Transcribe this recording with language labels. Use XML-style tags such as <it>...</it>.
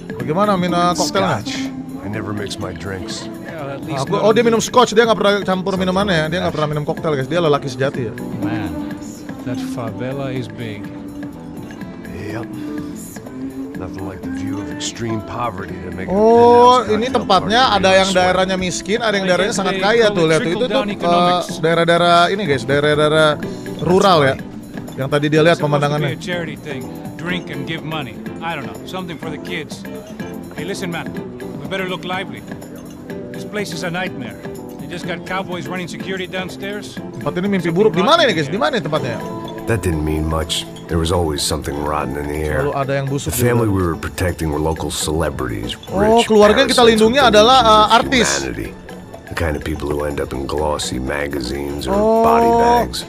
<id>Bagaimana minum cocktailnya?</id> <en>Scotch. I never mix my drinks.</en> <id>Oh, dia minum scotch, dia nggak pernah campur minumannya ya. Dia nggak pernah minum koktel, guys. Dia lelaki sejati ya.</id> <en>Man, that favela is big. Yep. Nothing like the view of extreme poverty to make.</en> <id>Oh, ini tempatnya ada yang daerahnya miskin, ada yang daerahnya sangat kaya tuh. Lihat tuh, itu tuh daerah-daerah ini, guys. Daerah-daerah rural ya. Yang tadi dia lihat pemandangannya.</id> <en>Drink and give money. I don't know, something for the kids. Hey, listen, man. We better look lively. This place is a nightmare. They just got cowboys running security downstairs.</en> <id>Tempat ini mimpi buruk. Di mana ini, guys? Di mana tempatnya?</id> <en>That didn't mean much. There was always something rotten in the air.</en> <id>Selalu ada yang busuk.</id> <en>The family we were protecting were local celebrities.</en> <id>Oh, keluarga yang kita lindungi adalah artis.</id> <en>The kind of people who end up in glossy magazines or body bags.</en>